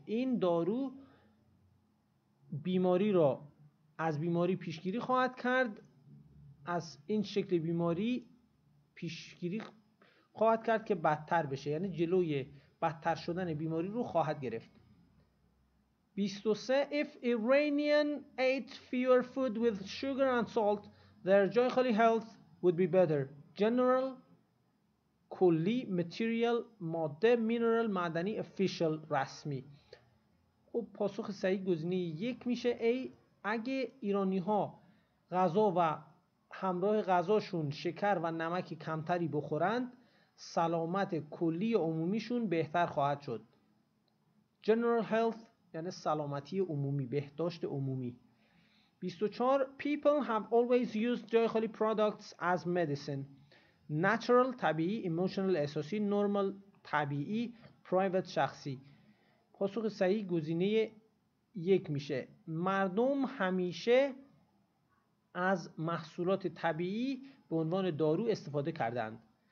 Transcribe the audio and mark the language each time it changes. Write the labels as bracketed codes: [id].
[fa] این دارو بیماری را از بیماری پیشگیری خواهد کرد، از این شکل بیماری پیشگیری خواهد کرد که بدتر بشه، یعنی جلوی بدتر شدن بیماری رو خواهد گرفت. 23. [en] If Iranian ate fewer food with sugar and salt, their joyful health would be better. [fa] General، کلی، material، ماده، mineral، معدنی، official، رسمی. خب پاسخ صحیح گزینه یک میشه. ای اگه ایرانی ها غذا و همراه غذاشون شکر و نمک کمتری بخورند، سلامت کلی عمومیشون بهتر خواهد شد. General health یعنی سلامتی عمومی، بهداشت عمومی. 24. [en] People have always used جایخالی products as medicine. [fa] Natural، طبیعی، emotional، احساسی، normal، طبیعی، private، شخصی. پاسخ صحیح گزینه یک میشه. مردم همیشه از محصولات طبیعی به عنوان دارو استفاده کردند.